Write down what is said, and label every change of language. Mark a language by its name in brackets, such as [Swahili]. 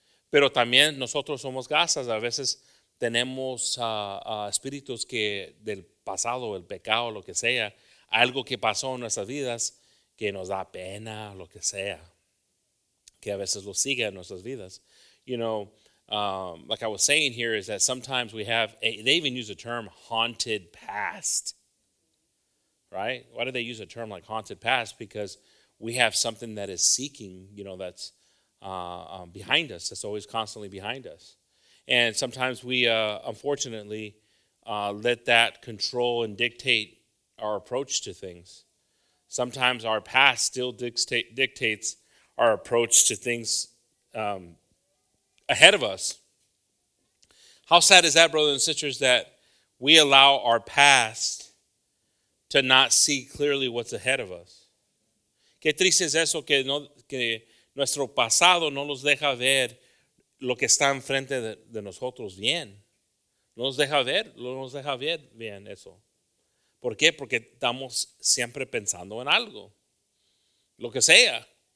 [Spanish] Pero también nosotros somos casas, a veces tenemos espíritus que del pasado, el pecado, lo que sea, algo que pasó en nuestras vidas que nos da pena, lo que sea, que a veces lo sigue en nuestras vidas. [English] You know, like I was saying here, is that sometimes we have, they even use the term haunted past, right? Why do they use a term like haunted past? Because we have something that is seeking, you know, that's behind us, that's always constantly behind us. And sometimes we, unfortunately, let that control and dictate our approach to things. Sometimes our past still dictates our approach to things ahead of us. How sad is that, brothers and sisters, that we allow our past to not see clearly what's ahead of us? [Spanish] Qué triste es eso que, no, que nuestro pasado no nos deja ver lo que está enfrente de nosotros bien. No nos deja ver bien eso. ¿Por qué? Porque estamos siempre pensando en algo, lo que sea.